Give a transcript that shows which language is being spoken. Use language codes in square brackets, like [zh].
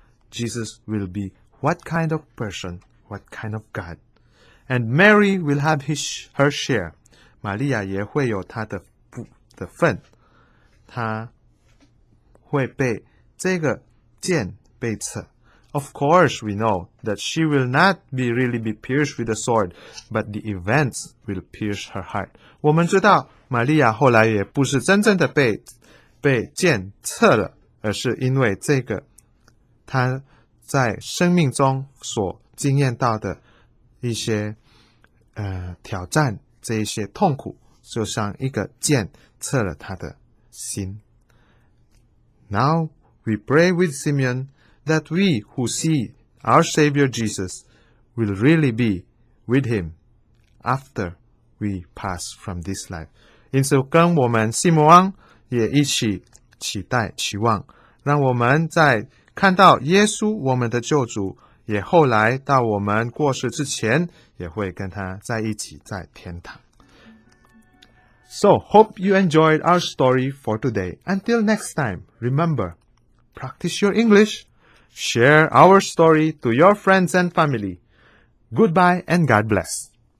[en] Jesus will be what kind of person, what kind of God, and Mary will have her share， [zh] 玛利亚也会有她的份，她会被这个剑被刺。 [en] Of course, we know that she will not be really be pierced with a sword, but the events will pierce her heart. [zh] 我们知道玛利亚后来也不是真正的被剑刺了，而是因为这个她在生命中所经验到的一些挑战，这一些痛苦，就像一个剑刺了她的心。 [en] Now we pray with Simeon that we who see our Savior Jesus will really be with him after we pass from this life. [zh] 因此跟我们西摩昂也一起期待期望，让我们在看到耶稣我们的救主也后来到我们过世之前也会跟他在一起在天堂。 [en] So, hope you enjoyed our story for today. Until next time, remember, practice your English. share our story to your friends and family. Goodbye and God bless.